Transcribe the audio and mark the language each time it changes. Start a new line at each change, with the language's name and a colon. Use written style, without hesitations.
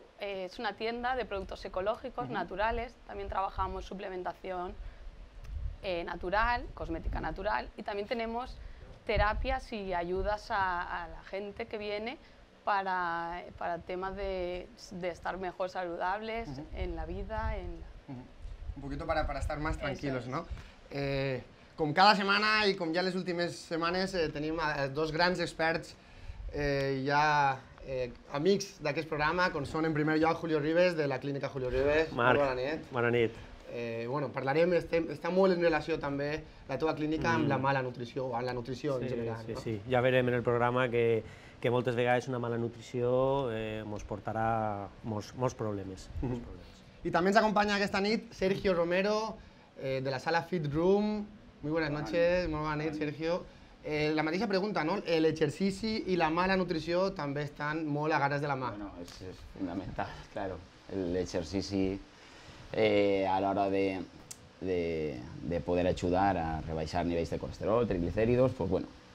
Spanish: es una tienda de productos ecológicos, naturales. También trabajamos suplementación natural, cosmética natural. Y también tenemos terapias y ayudas a la gente que viene para temas de estar mejor saludables en la vida. Un poquito para estar más tranquilos, ¿no?
Catalan: Com cada setmana i com ja les últimes setmanes tenim dos grans experts ja amics d'aquest programa, com són en primer lloc Julio Ribes, de la Clínica Julio Ribes. Marc, bona nit. Bona nit. Bueno, parlarem, està molt en relació també la teva clínica amb la mala nutrició, amb la nutrició en general. Sí, sí, ja veurem en el programa que moltes vegades una mala nutrició ens portarà molts problemes. I també ens acompanya aquesta nit Sergio Romero, de la sala Fit Room.
Spanish: Muy buenas noches, muy buena
Catalan: nit,
Spanish: Sergio.
Catalan: La mateixa pregunta, no? L'exercici i la mala nutrició també estan molt agarrats de la mà. Bueno, és fonamental, claro. L'exercici a l'hora de poder ajudar a rebaixar nivells de colesterol, triglicèridos,
Spanish: pues bueno.